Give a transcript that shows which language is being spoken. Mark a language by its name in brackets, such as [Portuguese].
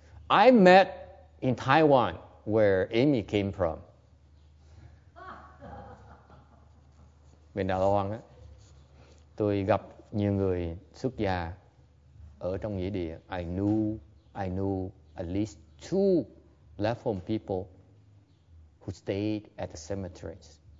[English] I met in Taiwan, where Amy came from. [Vietnamese] Bên Đài Loan á, tôi gặp nhiều người xuất gia ở trong nghĩa địa. [English] I knew at least two left home people who stayed at the cemeteries.